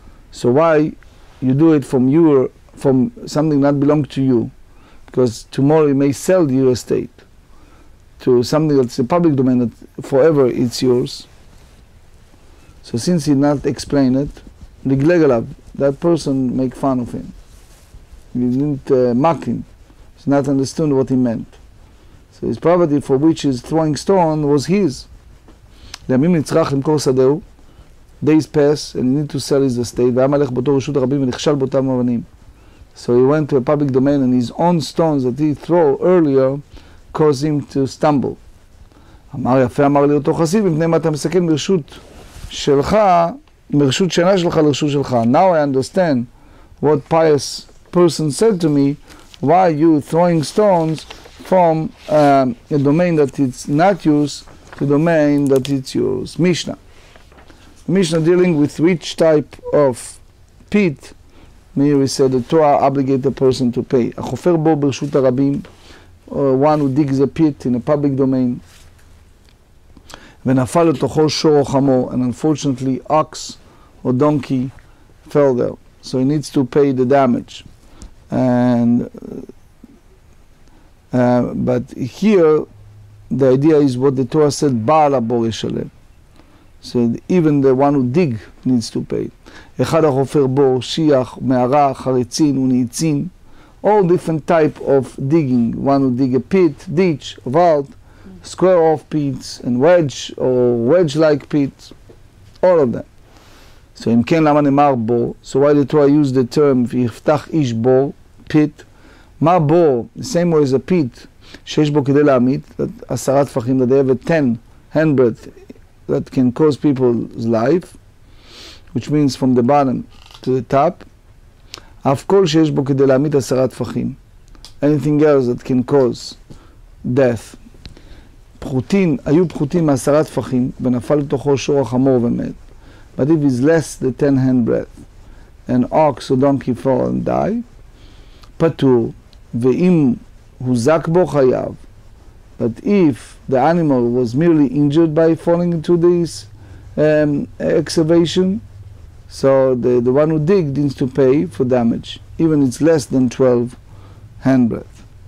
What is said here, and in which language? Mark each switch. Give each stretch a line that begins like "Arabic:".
English: So why you do it from something that belong to you, because tomorrow you may sell your estate to something that's a public domain that forever it's yours. So since he not explain it, Liglegalav, that person make fun of him. He didn't mock him. He's not understood what he meant. So his property for which he's throwing stone was his.
Hebrew: לימים נצרח למכור שדהו,
English: days pass, and he need to sell his estate,
Hebrew: והיה מלך באותו רשות הרבים ונכשל באותם אבנים.
English: So he went to a public domain and his own stones that he threw earlier caused him to stumble.
Hebrew: אמר יפה, אמר לי אותו חסיד, מפני מה אתה מסכן מרשות שלך, מרשות שינה שלך לרשות שלך.
English: Now I understand what pious person said to me, why are you throwing stones from a domain that it's not used to domain that it's yours. Mishnah. Mishnah dealing with which type of pit, maybe we said the Torah obligated a person to pay.
Hebrew: החופר בו ברשות הרבים,
English: one who digs a pit in a public domain,
Hebrew: ונפל לתוכו שור או חמור,
English: and unfortunately ox or donkey fell there. So he needs to pay the damage. And but here, the idea is what the Torah said,
Hebrew: Baal HaBor Yishalem.
English: So even the one who dig needs to pay.
Hebrew: Echad HaHofer Bor, Shiach, Me'ara, Charitzin, Uni'itzin,
English: all different type of digging. One who dig a pit, ditch, vault, square of pits, and wedge, or wedge-like pits, all of them. So
Hebrew: Im Ken Lama Nemar Bor,
English: so why the Torah used the term,
Hebrew: Yiftach Ish Bor,
English: pit, Ma Bor, the same way as a pit,
Hebrew: שיש בו כדי להעמיד, עשרה תפחים לדעבד,
English: 10 handbreadth that can cause people's life, which means from the bottom to the top,
Hebrew: אף כל שיש בו כדי להעמיד עשרה תפחים,
English: anything else that can cause death.
Hebrew: פחותים, היו פחותים מעשרה תפחים, ונפל לתוכו שור החמור ומת.
English: But if it's less than 10 handbreadth, an ox or donkey fall and die,
Hebrew: פטור, ואם הוזק בו חייו,
English: but if the animal was merely injured by falling into this excavation, so the one who digged needs to pay for damage, even it's less than 12 handbreadth.